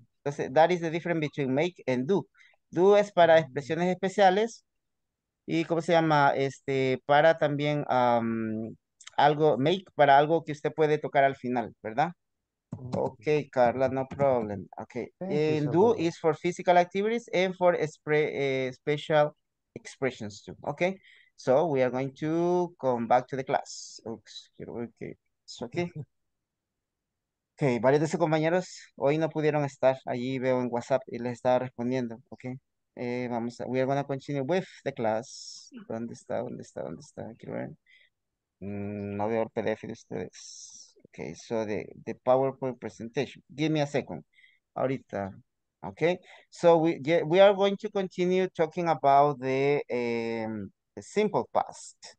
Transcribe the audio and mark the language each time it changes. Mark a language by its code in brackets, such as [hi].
[en] Entonces, that is the difference between make and do. [es] Do es para expresiones especiales. Y, ¿cómo se llama? Para también algo, make para algo que usted puede tocar al final, ¿verdad? [en] Okay, Carla, no problem. Okay, and do is for physical activities and for special expressions too. Okay, so we are going to come back to the class. Oops, okay, it's okay. [es] Okay, varios de sus compañeros hoy no pudieron estar. Allí veo en WhatsApp y les estaba respondiendo. [en] Okay, [es] vamos a, [en] we are going to continue with the class. [es] ¿Dónde está? Quiero ver. No veo el PDF de ustedes. [en] Okay, so the PowerPoint presentation. Give me a second. Ahorita. Okay. So we are going to continue talking about the simple past.